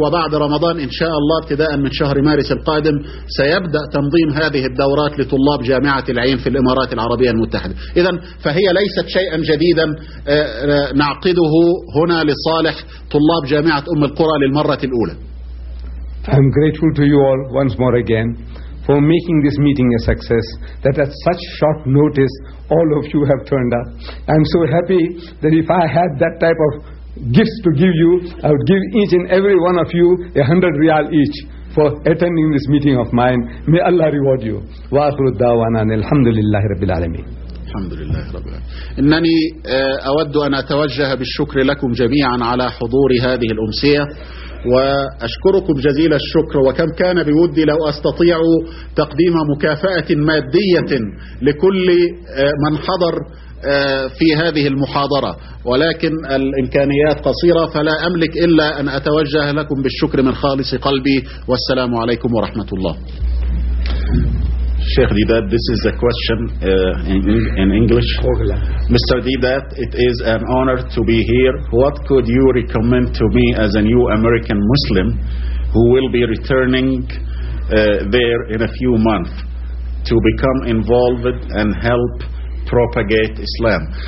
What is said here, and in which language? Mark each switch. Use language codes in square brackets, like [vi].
[ar] وبعد رمضان إن شاء الله ابتداء من شهر مارس القادم سيبدأ تنظيم هذه الدورات لطلاب جامعة العين في الإمارات العربية المتحدة. إذن فهي ليست شيئا جديدا نعقده هنا لصالح طلاب جامعة أم القرى للمرة الأولى. [en] I'm grateful to you all once more again for making this meeting a success, that at such short notice all of you have turned up. I'm so happy that if I had that type of gifts to give you, I would give each and every one of you 100 riyal each for attending this meeting of mine. May Allah reward you. [ar] Wa akhiru da'wana alhamdulillahi rabbil alamin. الحمد لله رب العالمين. إنني أود أن أتوجه بالشكر لكم جميعا على حضور هذه الأمسية، وأشكركم جزيل الشكر. وكم كان بودي لو أستطيع تقديم مكافأة مادية لكل من حضر في هذه المحاضرة، ولكن الإمكانيات قصيرة فلا أملك إلا أن أتوجه لكم بالشكر من خالص قلبي. والسلام عليكم ورحمة الله. [en] Sheikh Didat, this is a question in English. Mr. Didat, it is an honor to be here. What could you recommend to me as a new American Muslim who will be returning there in a few months to become involved and help propagate Islam?